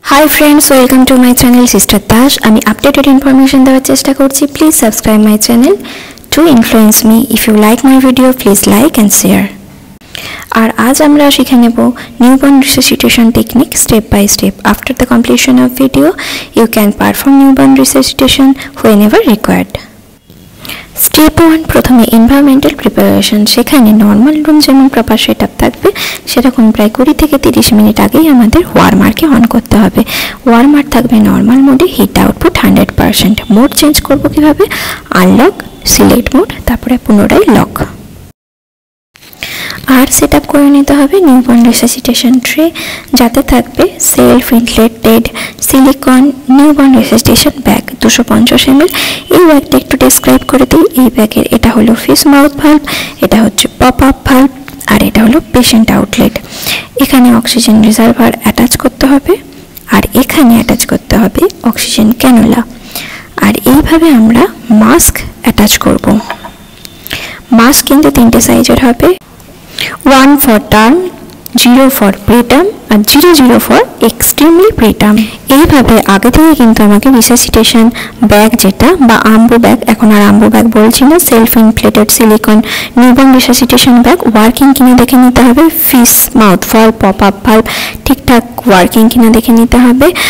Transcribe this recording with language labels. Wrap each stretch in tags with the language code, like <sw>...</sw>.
<en>Hi friends, welcome to my channel Sister Dash.</en> <bn>আমি updated information দেওয়ার চেষ্টা করছি.</bn> <en>Please subscribe my channel to influence me. If you like my video, please like and share.</en> <bn>আর আজ আমরা শিখে নেব newborn resuscitation technique step by step.</bn> <en>After the completion of video you can perform newborn resuscitation whenever required.</en> <bn>Step one, প্রথমে environmental preparation. সেখানে normal room যেমন proper set up থাকবে, সেরকম প্রায় 20 থেকে 30 মিনিট আগেই আমাদের ওয়ার্মারকে অন করতে হবে. ওয়ার্মার থাকবে নর্মাল মোডে, হিট আউটপুট 100%. মোড চেঞ্জ করব কিভাবে? আনলক, সিলেক্ট মোড, তারপরে পুনরায় লক. আর সেট আপ করে নিতে হবে নিউবর্ন রিসাসিটেশন ট্রে, যাতে থাকবে self inflated silicon newborn resuscitation bag 250 ml. এই ব্যাগটা একটু ডিসক্রাইব করে দিই. এই ব্যাগের এটা হলো ফিস মাউথ ভাল্ব, এটা হচ্ছে পপ আপ ভাল্ব, আর এটা হলো পেশেন্ট আউটলেট. এখানে অক্সিজেন রিজার্ভার অ্যাটাচ করতে হবে, আর এখানে অ্যাটাচ করতে হবে অক্সিজেন ক্যানুলা, আর এইভাবে আমরা মাস্ক অ্যাটাচ করব. মাস্ক কিন্তু তিনটে সাইজের হবে,</bn> <en>1 for term, 0 for preterm,</en> <bn>আর</bn> <en>0 for extremely preterm.</en> <bn>এইভাবে আগে থেকে কিন্তু আমাকে রিসাসিটেশন ব্যাগ, যেটা বা আম্বু ব্যাগ, এখন আর আম্বু ব্যাগ বলছি না, self inflated silicon newborn resuscitation bag working কিনা দেখে নিতে হবে. ফিস mouth valve, pop up valve ঠিকঠাক ওয়ার্কিং কিনা দেখে নিতে হবে.</bn>